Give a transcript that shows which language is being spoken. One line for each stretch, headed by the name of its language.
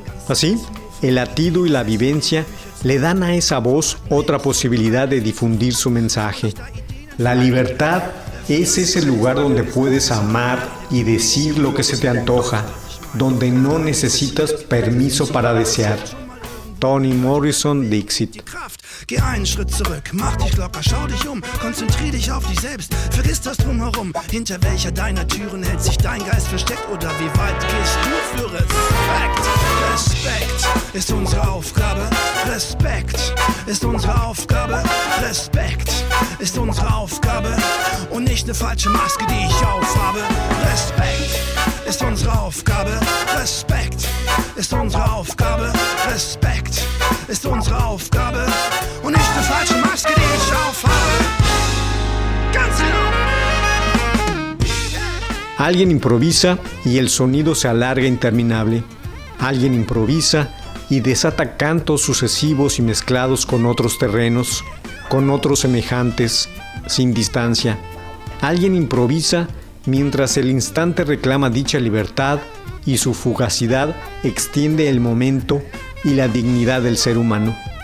Spanish: Así, el latido y la vivencia le dan a esa voz otra posibilidad de difundir su mensaje. La libertad es ese lugar donde puedes amar y decir lo que se te antoja, donde no necesitas permiso para desear. Toni Morrison, Dixit.
German: Geh einen Schritt zurück, mach dich locker, schau dich um, konzentrier dich auf dich selbst, vergiss das drumherum, hinter welcher deiner Türen hält sich dein Geist versteckt oder wie weit gehst du für Respekt? Respekt ist unsere Aufgabe, Respekt ist unsere Aufgabe, Respekt ist unsere Aufgabe und nicht eine falsche Maske, die ich aufhabe. Respekt ist unsere Aufgabe, Respekt ist unsere Aufgabe, Respekt ist unsere Aufgabe und nicht eine falsche Maske, die ich aufhabe. Ganz genau.
Spanish: Alguien improvisa y el sonido se alarga interminable. Alguien improvisa y desata cantos sucesivos y mezclados con otros terrenos, con otros semejantes, sin distancia. Alguien improvisa mientras el instante reclama dicha libertad y su fugacidad extiende el momento y la dignidad del ser humano.